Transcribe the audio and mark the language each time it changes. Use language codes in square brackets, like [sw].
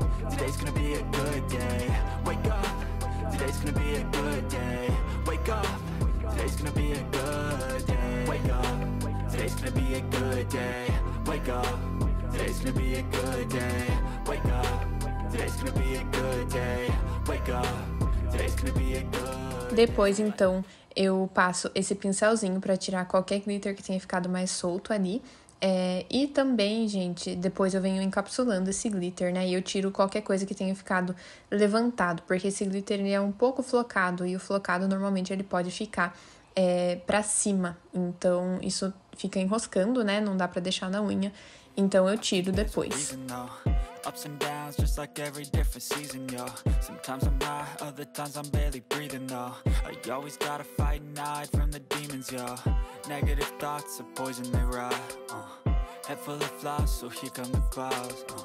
[en] Today's gonna be a good day. Wake up. Today's gonna be a good day. Wake up. Today's gonna be a good day. Wake up. Today's gonna be a good day. Wake up. Today's gonna be a good day. Wake up. Today's gonna be a good day. Wake up. Today's gonna be a good day. [pt] Depois, então, eu passo esse pincelzinho para tirar qualquer glitter que tenha ficado mais solto ali. E também, gente, depois eu venho encapsulando esse glitter, né? E eu tiro qualquer coisa que tenha ficado levantado, porque esse glitter ele é um pouco flocado, e o flocado normalmente ele pode ficar pra cima. Então, isso fica enroscando, né? Não dá pra deixar na unha. Então eu tiro depois. [en] Ups and downs, just like every different season, yo. Sometimes I'm high, other times I'm barely breathing, though. I always gotta fight and hide from the demons, yo. Negative thoughts are poison, they rot. Head full of flies, so here come the clouds.